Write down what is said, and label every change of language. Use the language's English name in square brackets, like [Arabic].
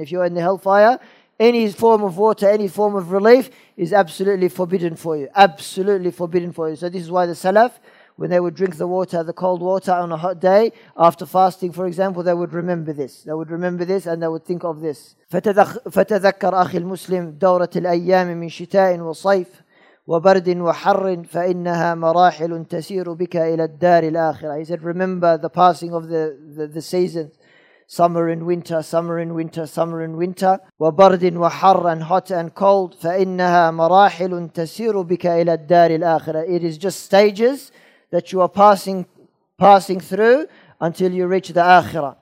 [English] If you are in the hellfire, any form of water, any form of relief is absolutely forbidden for you. Absolutely forbidden for you. So this is why the Salaf, when they would drink the water, the cold water on a hot day, after fasting, for example, they would remember this. They would remember this and they would think of this. [Arabic] فتذكر أخي المسلم دورة الأيام من شتاء وصيف وبرد وحر فإنها مراحل تسير بك إلى الدار الآخرة. [English] He said, remember the passing of the seasons. Summer and winter, summer and winter, summer and winter. [Arabic] وَبَرْدٍ وَحَرًّا, [English] hot and cold. [Arabic] فَإِنَّهَا مَرَاحِلٌ تَسِيرُ بِكَ إِلَى الدَّارِ الْآخِرَةِ. [English] It is just stages that you are passing through until you reach the Akhirah.